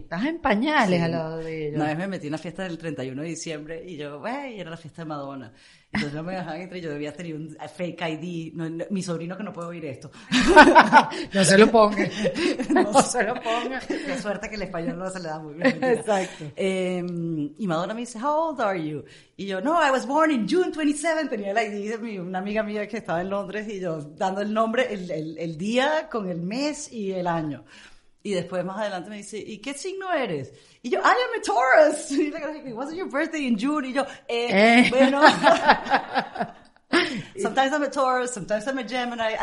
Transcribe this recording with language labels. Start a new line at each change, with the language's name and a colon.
Spanish: Estás en pañales al lado de ellos. Una vez me metí en la fiesta del 31 de diciembre y yo, güey, era la fiesta de Madonna. Entonces no me dejaban entre, yo debía tener un fake ID. No, mi sobrino que no puede oír esto. No se lo ponga. No se lo ponga. Qué suerte que el español no se le da muy bien. Exacto. Y Madonna me dice,
English: how old are you?
Spanish: Y yo, no,
English: I was born in June 27.
Spanish: Tenía el ID de una amiga mía que estaba en Londres y yo dando el nombre, el día con el mes y el año. Y después más adelante me dice, ¿y qué signo eres? Y yo,
English: I am a Taurus.
Spanish: Y le dije,
English: wasn't your birthday in June?
Spanish: Y yo, bueno.
English: Sometimes I'm a Taurus, sometimes I'm a Gemini.